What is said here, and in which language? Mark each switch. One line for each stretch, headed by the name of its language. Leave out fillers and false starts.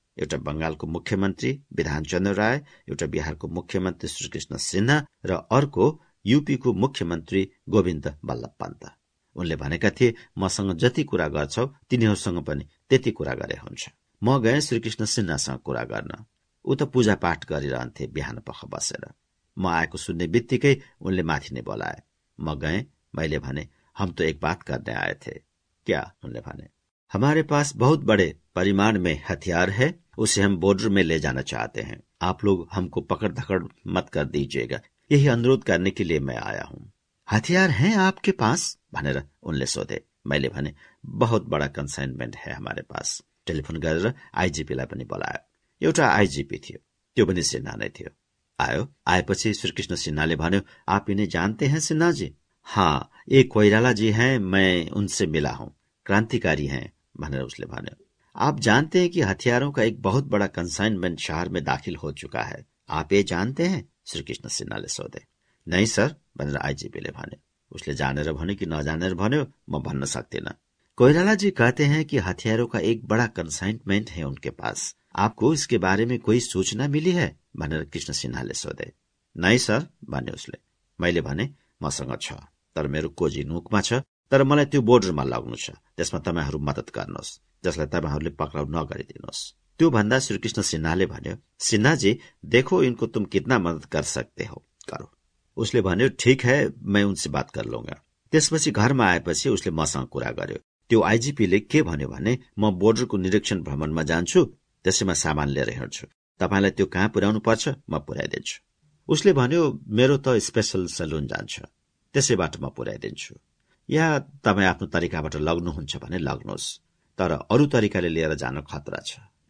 Nepali: एउटा बंगालको मुख्यमन्त्री विधान चन्द्र राय, एउटा बिहारको मुख्यमन्त्री श्रीकृष्ण सिन्हा र अर्को युपीको मुख्यमन्त्री गोविन्द वल्लभ पन्त। उनले भनेका थिए, मसँग जति कुरा गर्छौ तिनीहरूसँग पनि त्यति कुरा गरे हुन्छ। म गएँ श्रीकृष्ण सिन्हासँग कुरा गर्न। ऊ त पूजापाठ गरिरहन्थे बिहान पख बसेर। म आएको सुन्ने बित्तिकै उनले माथि नै बोलाए। म गएँ। मैले भने,
Hindi: हम तो एक बात करने आए थे। क्या?
Nepali: उनले भने,
Hindi: हमारे पास बहुत बड़े परिमाण में हथियार है, उसे हम बॉर्डर में ले जाना चाहते हैं। आप लोग हमको पकड़ धकड़ मत कर दीजिएगा, यही अनुरोध करने के लिए मैं आया हूँ। हथियार हैं आपके पास?
Nepali: भनेर उनले सोधे। मैले भने,
Hindi: बहुत बड़ा कंसाइनमेंट है हमारे पास।
Nepali: टेलीफोन गरेर आईजीपीलाई पनि बोलायो। एउटा आईजीपी थियो, त्यो पनि सिन्हा नै थियो। आयो। आएपछि श्रीकृष्ण सिन्हाले भन्यो,
Hindi: आप इन्हें जानते हैं सिन्हाजी? हाँ, एक कोइराला जी हैं, मैं उनसे मिला हूँ, क्रांतिकारी हैं,
Nepali: भनेर उसले भन्यो।
Hindi: आप जानते हैं कि हथियारों का एक बहुत बड़ा कंसाइनमेंट शहर में दाखिल हो चुका है, आप ये जानते हैं?
Nepali: श्रीकृष्ण सिन्हा ले सोधे।
Hindi: नहीं सर,
Nepali: भनेर आईजीपीले भन्यो। उसले जानेर भन्यो कि नजानेर भन्यो, म भन्न सक्दिन।
Hindi: कोइराला जी कहते हैं कि हथियारों का एक बड़ा कंसाइनमेंट है उनके पास, आपको इसके बारे में कोई सूचना मिली है?
Nepali: भनेर कृष्ण सिन्हाले सोधे।
Hindi: नहीं सर,
Nepali: भन्यो उसले। मैले भने, मसँग छ, तर मेरो कोजी नुकमा छ, तर मलाई त्यो बोर्डरमा लग्नु छ, त्यसमा तपाईँहरू मदत गर्नुहोस्, जसलाई तपाईँहरूले पक्राउ नगरिदिनुहोस्। त्यो भन्दा श्रीकृष्ण सिन्हाले भन्यो,
Hindi: सिन्हाजी देखो इनको तुम कितना मदद कर सकते हो, करो।
Nepali: उसले भन्यो,
Hindi: ठिक है, मैं उनसे बात कर लूंगा।
Nepali: त्यसपछि घरमा आएपछि उसले मसँग कुरा गर्यो। त्यो आईजीपीले के भन्यो भने, म बोर्डरको निरीक्षण भ्रमणमा जान्छु, त्यसैमा सामान लिएर हिँड्छु, तपाईँलाई त्यो कहाँ पुर्याउनु पर्छ म पुर्याइदिन्छु। उसले भन्यो, मेरो त स्पेसल सलुन जान्छ, त्यसैबाट म पुर्याइदिन्छु, या तपाईँ आफ्नो तरिकाबाट लग्नुहुन्छ भने लग्नुहोस्, तर अरू तरिकाले लिएर जानु खतरा छ।